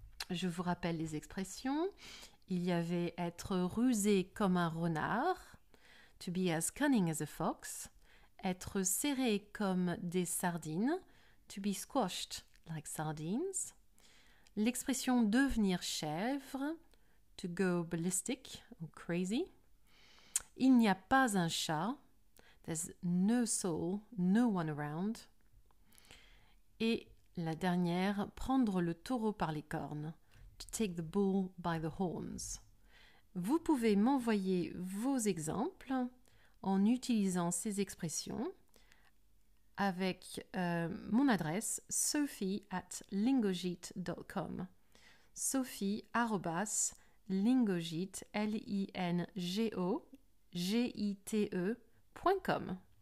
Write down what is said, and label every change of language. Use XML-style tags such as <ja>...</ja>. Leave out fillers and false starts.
<fr>Je vous rappelle les expressions. Il y avait être rusé comme un renard,</fr> <en>to be as cunning as a fox,</en> <fr>être serré comme des sardines,</fr> <en>to be squashed like sardines,</en> <fr>l'expression devenir chèvre,</fr> <en>to go ballistic or crazy.</en> <fr>Il n'y a pas un chat.</fr> <en>There's no soul, no one around.</en> <fr>Et la dernière, prendre le taureau par les cornes.</fr> <en>To take the bull by the horns.</en> <fr>Vous pouvez m'envoyer vos exemples en utilisant ces expressions avec mon adresse sophie@lingogite.com. sophie@lingogite.com.</fr>